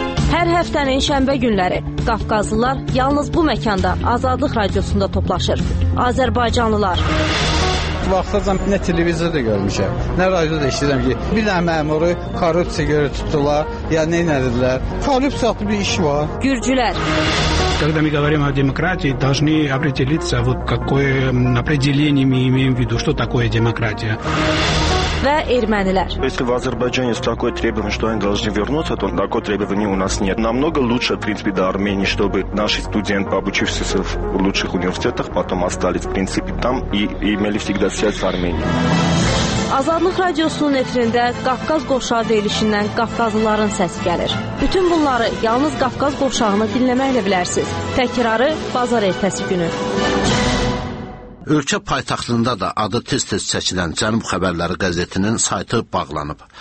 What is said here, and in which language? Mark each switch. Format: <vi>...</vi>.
<az>Hər həftənin şənbə günləri Qafqazlılar yalnız bu məkanda Azadlıq radiosunda toplaşır. Azərbaycanlılar. Vaxtacan nə televizorda görmüşəm, nə radioda işləyirəm ki, bir dənə məmuru korrupsiya görə tutdular, ya nə edirlər? Korrupsiya bir iş var. Gürcülər.</az> <ru>Когда мы говорим о демократии, должны определиться, вот какое определение мы имеем в виду, что такое демократия.</ru> <az>Ve ermeniler.</az> <ru>Если в Азербайджане есть такое требование, что они должны вернуться, то такое требование у нас нет. Намного лучше, в принципе, до Армении, чтобы наши студенты, обучившиеся в лучших университетах, потом остались, в принципе, там и имели всегда связь с Арменией.</ru> <az>Azadlıq radiosunun efirində Qafqaz qovşağı deyilişindən Qafqazlıların səsi gəlir. Bütün bunları yalnız Qafqaz qovşağını dinləməklə bilərsiniz. Təkrarı bazar ertəsi günü. Ölkə paytaxtında da adı tez-tez çəkilən Cənub Xəbərləri qəzetinin saytı bağlanıb.</az>